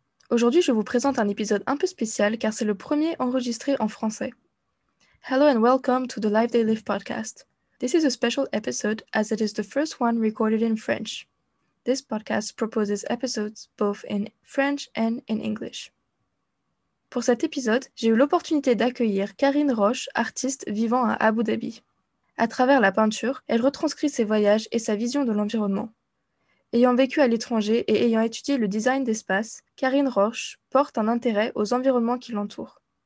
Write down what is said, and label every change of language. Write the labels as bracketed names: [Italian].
[French] Aujourd'hui, je vous présente un épisode un peu spécial car c'est le premier enregistré en français. [English] Hello and welcome to The Life They Live podcast. This is a special episode as it is the first one recorded in French. This podcast proposes episodes both in French and in English. [French] Pour cet épisode, j'ai eu l'opportunité d'accueillir Karine Roche, artiste vivant à Abu Dhabi. À travers la peinture, elle retranscrit ses voyages et sa vision de l'environnement. Ayant vécu à l'étranger et ayant étudié le design d'espace, Karine Roche porte un intérêt aux environnements qui l'entourent.